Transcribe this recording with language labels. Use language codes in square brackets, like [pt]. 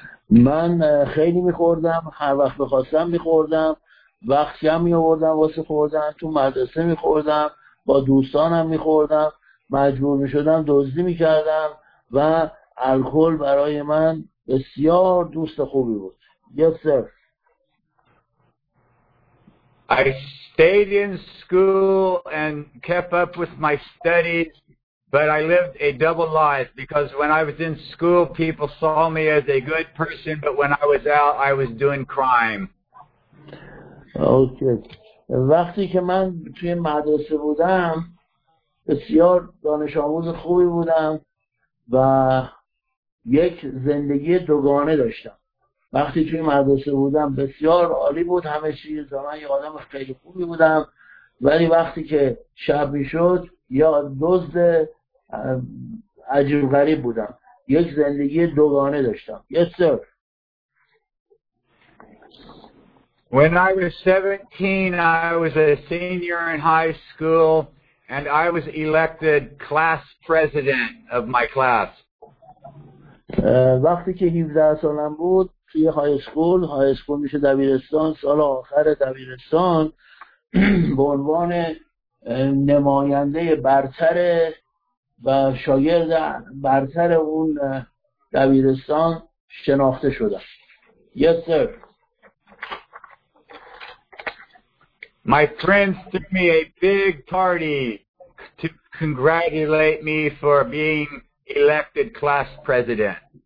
[fa] من خیلی میخوردم، هر وقت بخواستم میخوردم، وقتی هم میآوردم واسه خوردن، تو مدرسه میخوردم، با دوستانم میخوردم، مجبور میشدم دزدی میکردم و الکل برای من بسیار دوست خوبی بود. [en] Yes sir. I stayed in school and kept up with my studies, but I lived a double life because when I was in school people saw me as a good person, but when I was out I was doing crime. Okay. [fa] وقتی که من توی مدرسه بودم بسیار دانش آموز خوبی بودم و یک زندگی دوگانه داشتم. وقتی توی مدرسه بودم بسیار عالی بود همه چیز، من یه آدم خیلی خوبی بودم، ولی وقتی که شب میشد یا دزد عجیب غریب بودم، یک زندگی دوگانه داشتم. [en] Yes sir. When I was 17, I was a senior in high school and I was elected class president of my class. [fa] وقتی که 17 سالم بود توی های اسکول میشه دبیرستان، سال آخر دبیرستان به عنوان نماینده برتر و شاگرد برتر اون دبیرستان شناخته شدم. [en] Yes sir. My friends threw me a big party to congratulate me for being elected class president.